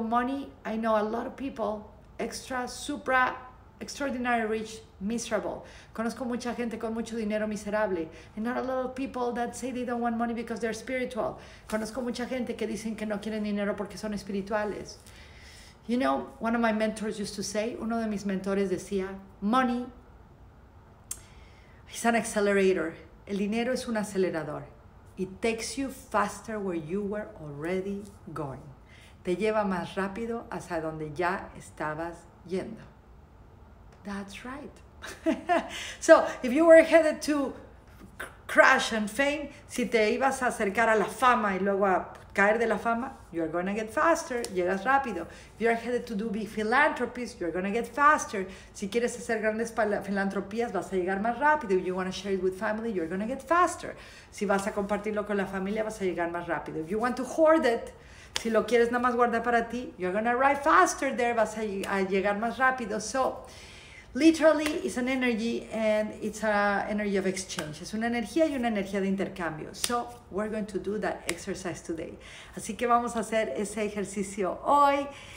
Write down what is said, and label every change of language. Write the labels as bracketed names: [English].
[English] Money, I know a lot of people, extra, supra, extraordinary rich, miserable. [Spanish] Conozco mucha gente con mucho dinero miserable. [English] And not a lot of people that say they don't want money because they're spiritual. [Spanish] Conozco mucha gente que dicen que no quieren dinero porque son espirituales. [English] You know, one of my mentors used to say, [Spanish] uno de mis mentores decía, [English] money is an accelerator. [Spanish] El dinero es un acelerador. [English] It takes you faster where you were already going. [Spanish] Te lleva más rápido hacia donde ya estabas yendo. [English] That's right. So, if you were headed to crash and fame, [Spanish] si te ibas a acercar a la fama y luego a caer de la fama, [English] you're going to get faster, [Spanish] llegas rápido. [English] If you're headed to do big philanthropies, you're going to get faster. [Spanish] Si quieres hacer grandes filantropías, vas a llegar más rápido. [English] If you want to share it with family, you're going to get faster. [Spanish] Si vas a compartirlo con la familia, vas a llegar más rápido. [English] If you want to hoard it, [Spanish] si lo quieres nada más guardar para ti, [English] you're going to arrive faster there, [Spanish] vas a llegar más rápido. [English] So, literally, it's an energy and it's an energy of exchange. [Spanish] Es una energía y una energía de intercambio. [English] So, we're going to do that exercise today. [Spanish] Así que vamos a hacer ese ejercicio hoy.